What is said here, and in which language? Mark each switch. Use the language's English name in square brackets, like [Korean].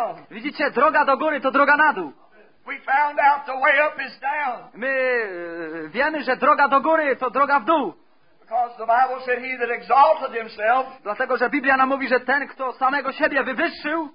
[Polish] Widzicie, droga do góry to droga na dół. [English] We found out the way up is down. [Polish] My wiemy, że droga do góry to droga w dół. [English] Because the Bible said he that exalted himself, [Polish] dlatego, że Biblia nam mówi, że ten, kto samego siebie wywyższył,